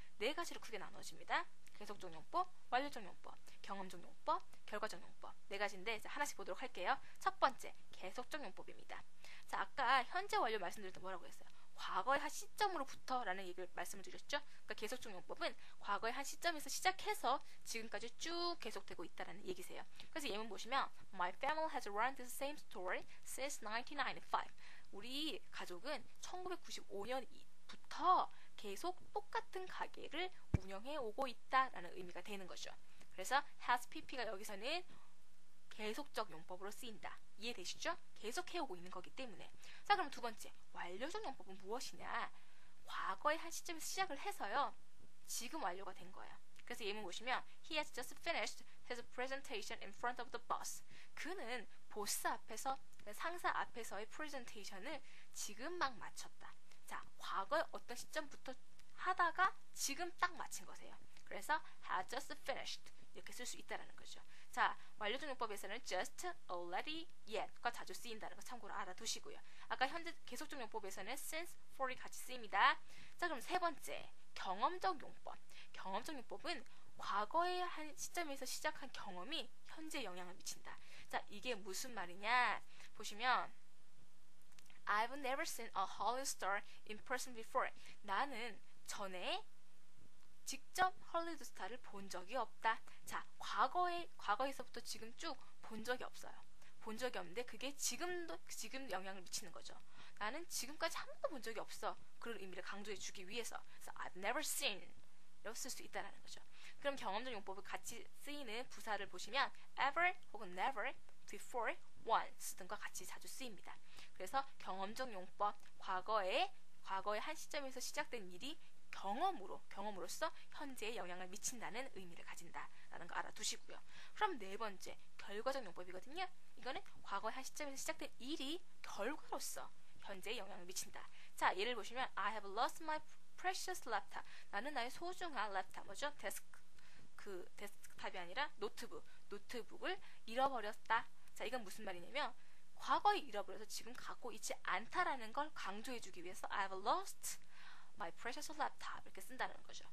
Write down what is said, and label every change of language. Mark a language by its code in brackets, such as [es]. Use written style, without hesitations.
[ko] 네 가지로 크게 나누어집니다. 계속적 용법, 완료적 용법, 경험적 용법, 결과적 용법 네 가지인데 이제 하나씩 보도록 할게요. 첫 번째, 계속적 용법입니다. 자 아까 현재 완료 말씀드렸던 뭐라고 했어요? 과거의 한 시점으로부터 라는 얘기를 말씀을 드렸죠. 그러니까 계속적 용법은 과거의 한 시점에서 시작해서 지금까지 쭉 계속되고 있다는 얘기세요. 그래서 예문 보시면 [en] My family has run the same story since 1995. [ko] 우리 가족은 1995년부터 계속 똑같은 가게를 운영해 오고 있다라는 의미가 되는 거죠. 그래서 has pp가 여기서는 계속적 용법으로 쓰인다. 이해되시죠? 계속해 오고 있는 거기 때문에. 자 그럼 두 번째 완료적 용법은 무엇이냐. 과거의 한 시점에서 시작을 해서요 지금 완료가 된 거예요. 그래서 예문 보시면 [en] he has just finished his presentation in front of the boss. [ko] 그는 보스 앞에서 상사 앞에서의 프레젠테이션을 지금 막 마쳤다. 자 과거의 어떤 시점부터 하다가 지금 딱 마친 거세요. 그래서 has just finished 이렇게 쓸 수 있다라는 거죠. 자 완료적 용법에서는 just, already, yet과 자주 쓰인다는 거 참고로 알아두시고요. 아까 현재 계속적 용법에서는 since, for이 같이 쓰입니다. 자 그럼 세 번째 경험적 용법. 경험적 용법은 과거의 한 시점에서 시작한 경험이 현재에 영향을 미친다. 자 이게 무슨 말이냐 보시면 [en] I've never seen a Hollywood star in person before. [ko] 나는 전에 직접 헐리우드 스타를 본 적이 없다. 자, 과거에서부터 지금 쭉 본 적이 없어요. 본 적이 없는데 그게 지금 영향을 미치는 거죠. 나는 지금까지 한 번도 본 적이 없어. 그런 의미를 강조해 주기 위해서. 그래서 [en] I've never seen [ko] 이라고 쓸 수 있다는 거죠. 그럼 경험적 용법을 같이 쓰이는 부사를 보시면 ever 혹은 never, before, once 등과 같이 자주 쓰입니다. 그래서 경험적 용법, 과거의 한 시점에서 시작된 일이 경험으로써 현재에 영향을 미친다는 의미를 가진다라는 거 알아두시고요. 그럼 네 번째, 결과적 용법이거든요. 이거는 과거의 한 시점에서 시작된 일이 결과로서 현재에 영향을 미친다. 자, 예를 보시면 [en] I have lost my precious laptop. [ko] 나는 나의 소중한 laptop, 뭐죠? 데스크탑이 아니라 노트북을 잃어버렸다. 자, 이건 무슨 말이냐면 과거에 잃어버려서 지금 갖고 있지 않다라는 걸 강조해주기 위해서 [en] I have lost my precious laptop [ko] 이렇게 쓴다는 거죠.